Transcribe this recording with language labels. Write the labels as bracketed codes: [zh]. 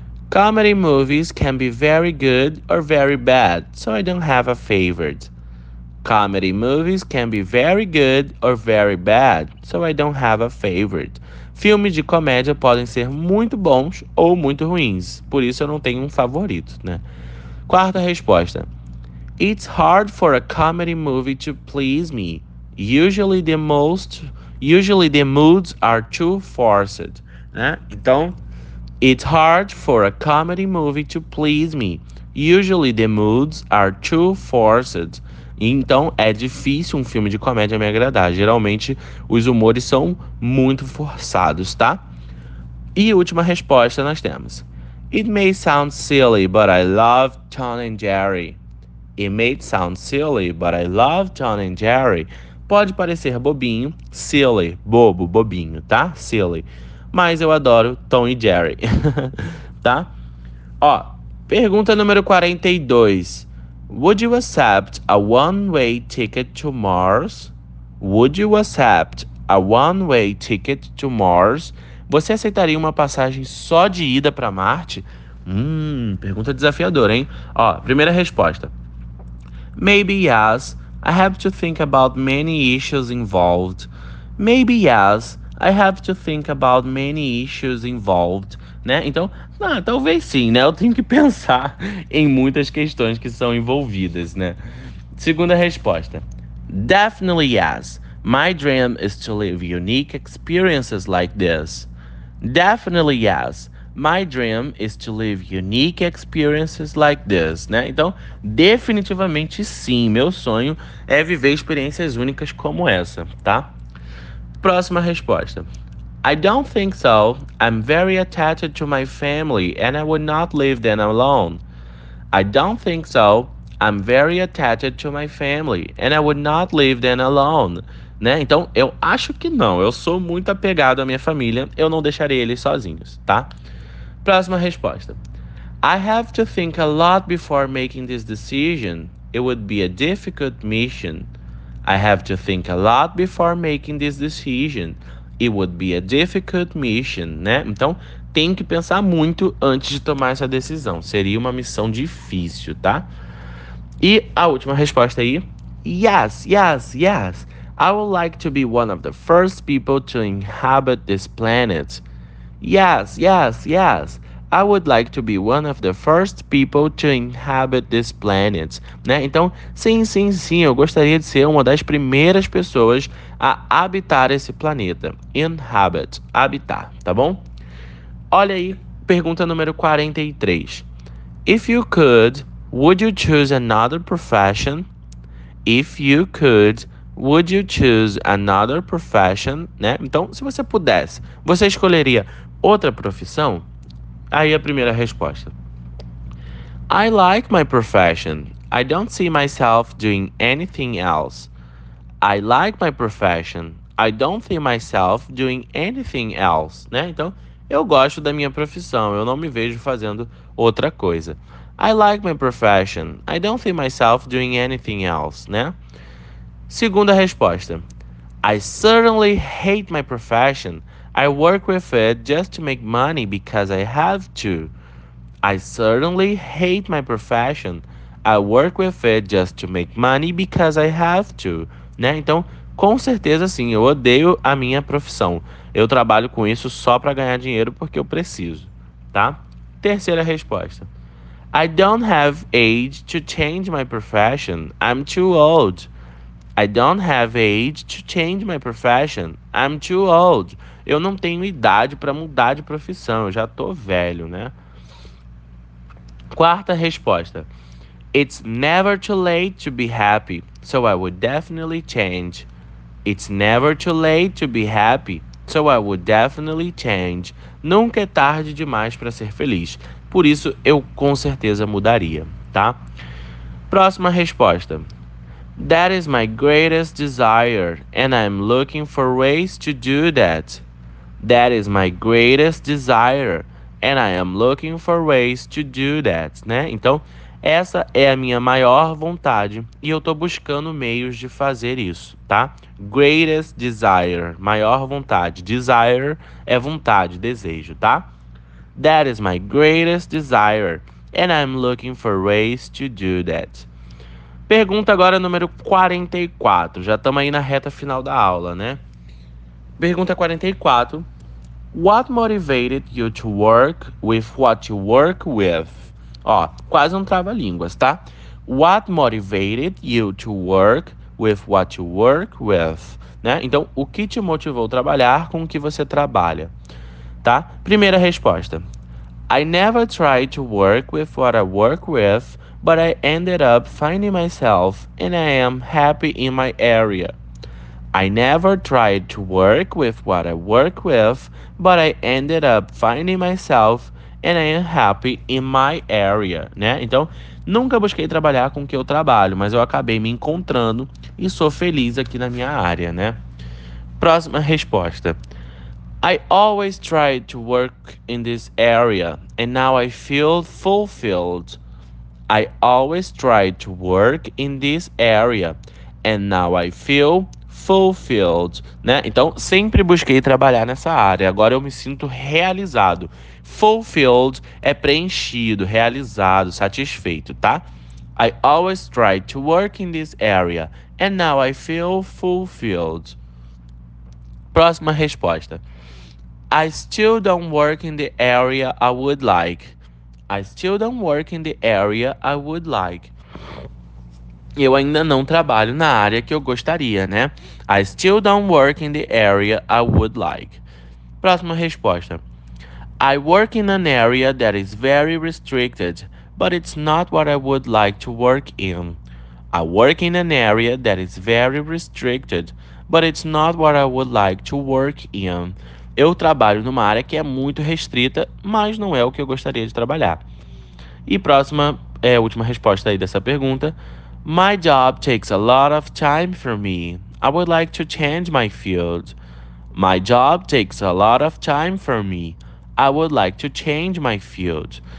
[en] Comedy movies can be very good or very bad, so I don't have a favorite. Comedy movies can be very good or very bad, so I don't have a favorite. [pt] Filmes de comédia podem ser muito bons ou muito ruins, por isso eu não tenho um favorito, né? Quarta resposta. [en] It's hard for a comedy movie to please me. Usually the moods are too forced, né? [pt] Então, [en] it's hard for a comedy movie to please me. Usually the moods are too forced. [pt] Então, é difícil um filme de comédia me agradar. Geralmente, os humores são muito forçados, tá? E última resposta nós temos. [en] It may sound silly, but I love Tom and Jerry. It may sound silly, but I love Tom and Jerry. [pt] Pode parecer bobinho, silly, bobo, bobinho, tá? Silly. Mas eu adoro Tom e Jerry, tá? Ó, pergunta número 42. [en] Would you accept a one-way ticket to Mars? Would you accept a one-way ticket to Mars? [pt] Você aceitaria uma passagem só de ida para Marte? Pergunta desafiadora, hein? Ó, primeira resposta. [en] Maybe yes, I have to think about many issues involved. Maybe yes, I have to think about many issues involved. [pt] Né? Então, ah, talvez sim, né? Eu tenho que pensar em muitas questões que são envolvidas, né? Segunda resposta. [en] Definitely yes. My dream is to live unique experiences like this. Definitely yes. My dream is to live unique experiences like this, né? [pt] Então, definitivamente sim. Meu sonho é viver experiências únicas como essa, tá? Próxima resposta. [en] I don't think so. I'm very attached to my family and I would not leave them alone. I don't think so. I'm very attached to my family and I would not leave them alone. [pt] Né? Então, eu acho que não. Eu sou muito apegado à minha família. Eu não deixarei eles sozinhos, tá? Próxima resposta. [en] I have to think a lot before making this decision. It would be a difficult mission. I have to think a lot before making this decision. It would be a difficult mission, né? [pt] Então, tem que pensar muito antes de tomar essa decisão. Seria uma missão difícil, tá? E a última resposta aí. [en] Yes, yes, yes. I would like to be one of the first people to inhabit this planet. Yes, yes, yes. I would like to be one of the first people to inhabit this planet. [pt] Né? Então, sim, sim, sim, eu gostaria de ser uma das primeiras pessoas a habitar esse planeta. Inhabit, habitar, tá bom? Olha aí, pergunta número 43. [en] If you could, would you choose another profession? If you could, would you choose another profession? [pt] Né? Então, se você pudesse, você escolheria outra profissão? Aí a primeira resposta. [en] I like my profession. I don't see myself doing anything else. I like my profession. I don't see myself doing anything else. Né? [pt] Então, eu gosto da minha profissão. Eu não me vejo fazendo outra coisa. [en] I like my profession. I don't see myself doing anything else. Né? [pt] Segunda resposta. [en] I certainly hate my profession. I work with it just to make money because I have to. I certainly hate my profession. I work with it just to make money because I have to. [pt] Né? Então, com certeza sim, eu odeio a minha profissão. Eu trabalho com isso só para ganhar dinheiro porque eu preciso. Tá? Terceira resposta. [en] I don't have age to change my profession. I'm too old. I don't have age to change my profession. I'm too old. [pt] Eu não tenho idade para mudar de profissão. Eu já tô velho, né? Quarta resposta. [en] It's never too late to be happy, so I would definitely change. It's never too late to be happy, so I would definitely change. [pt] Nunca é tarde demais para ser feliz, por isso eu com certeza mudaria, tá? Próxima resposta. [en] That is my greatest desire, and I'm looking for ways to do that. That is my greatest desire, and I am looking for ways to do that, né? [pt] Então, essa é a minha maior vontade e eu tô buscando meios de fazer isso, tá? [en] Greatest desire, [pt] maior vontade. Desire é vontade, desejo, tá? [en] That is my greatest desire, and I'm looking for ways to do that. [pt] Pergunta agora número 44. Já estamos aí na reta final da aula, né? Pergunta 44. [en] What motivated you to work with what you work with? [pt] Ó, quase um trava-línguas, tá? [en] What motivated you to work with what you work with? [pt] Né? Então, o que te motivou a trabalhar com o que você trabalha? Tá? Primeira resposta. [en] I never tried to work with what I work with, but I ended up finding myself and I am happy in my area. I never tried to work with what I work with, but I ended up finding myself and I am happy in my area, né? [pt] Então, nunca busquei trabalhar com o que eu trabalho, mas eu acabei me encontrando e sou feliz aqui na minha área, né? Próxima resposta. [en] I always tried to work in this area and now I feel fulfilled. I always tried to work in this area and now I feel fulfilled, né? [pt] Então, sempre busquei trabalhar nessa área. Agora eu me sinto realizado. Fulfilled é preenchido, realizado, satisfeito, tá? [en] I always tried to work in this area and now I feel fulfilled. [pt] Próxima resposta. [en] I still don't work in the area I would like. I still don't work in the area I would like. [pt] Eu ainda não trabalho na área que eu gostaria, né? [en] I still don't work in the area I would like. [pt] Próxima resposta. [en] I work in an area that is very restricted, but it's not what I would like to work in. I work in an area that is very restricted, but it's not what I would like to work in. [pt] Eu trabalho numa área que é muito restrita, mas não é o que eu gostaria de trabalhar. E próxima, é a última resposta aí dessa pergunta. [en] My job takes a lot of time for me. I would like to change my field. My job takes a lot of time for me. I would like to change my field.